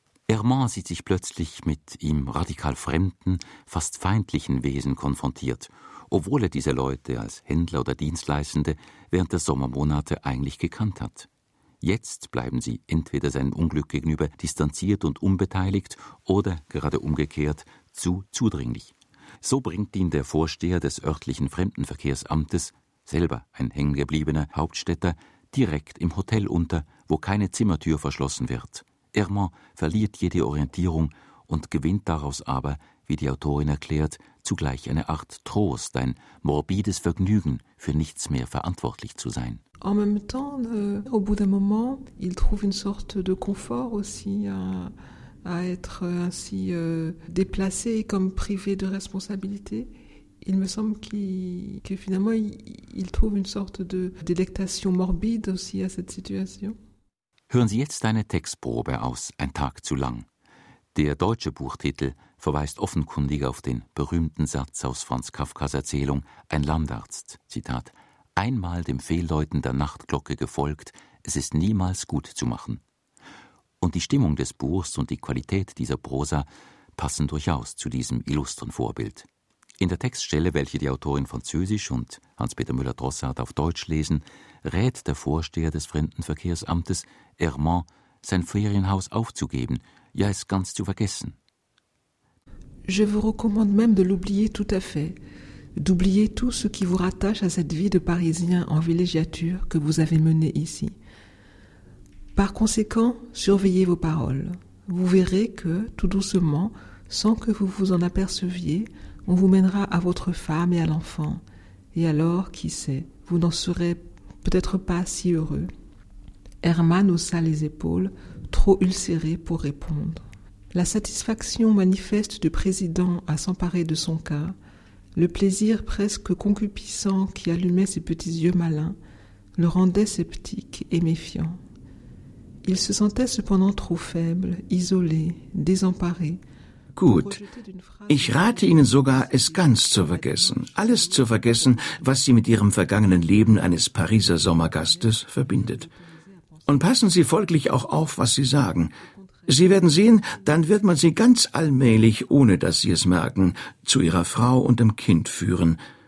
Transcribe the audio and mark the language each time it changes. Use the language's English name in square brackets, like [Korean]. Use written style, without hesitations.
[German] Hermann sieht sich plötzlich mit ihm radikal fremden, fast feindlichen Wesen konfrontiert, obwohl er diese Leute als Händler oder Dienstleistende während der Sommermonate eigentlich gekannt hat. Jetzt bleiben sie entweder seinem Unglück gegenüber distanziert und unbeteiligt oder gerade umgekehrt zu zudringlich. So bringt ihn der Vorsteher des örtlichen Fremdenverkehrsamtes, selber ein hängengebliebener Hauptstädter, direkt im Hotel unter, wo keine Zimmertür verschlossen wird. Hermann verliert jede Orientierung und gewinnt daraus aber, wie die Autorin erklärt, zugleich eine Art Trost, ein morbides Vergnügen, für nichts mehr verantwortlich zu sein. [French] En même temps, au bout d'un moment, il trouve une sorte de confort aussi à être ainsi déplacé et comme privé de responsabilité. Il me semble que finalement, il trouve une sorte de délectation morbide aussi à cette situation. [German] Hören Sie jetzt eine Textprobe aus Ein Tag zu lang. Der deutsche Buchtitel verweist offenkundig auf den berühmten Satz aus Franz Kafkas Erzählung Ein Landarzt, Zitat, einmal dem Fehlläuten der Nachtglocke gefolgt, es ist niemals gut zu machen. Und die Stimmung des Buchs und die Qualität dieser Prosa passen durchaus zu diesem illustren Vorbild. In der Textstelle, welche die Autorin französisch und Hans-Peter Müller-Drossart auf Deutsch lesen, rät der Vorsteher des Fremdenverkehrsamtes, Hermann, sein Ferienhaus aufzugeben, ja es ganz zu vergessen. [French] Je vous recommande même de l'oublier tout à fait. D'oublier tout ce qui vous rattache à cette vie de Parisien en villégiature que vous avez menée ici. Par conséquent, surveillez vos paroles. Vous verrez que, tout doucement, sans que vous vous en aperceviez, on vous mènera à votre femme et à l'enfant. Et alors, qui sait, vous n'en serez peut-être pas si heureux. Hermann haussa les épaules, trop ulcérées pour répondre. La satisfaction manifeste du président à s'emparer de son cas, le plaisir presque concupiscent qui allumait ses petits yeux malins le rendait sceptique et méfiant. Il se sentait cependant trop faible, isolé, désemparé. [German] Gut, ich rate Ihnen sogar, es ganz zu vergessen, alles zu vergessen, was Sie mit Ihrem vergangenen Leben eines Pariser Sommergastes verbindet. Und passen Sie folglich auch auf, was Sie sagen. Sie werden sehen, dann wird man sie ganz allmählich, ohne dass sie es merken, zu ihrer Frau und dem Kind führen.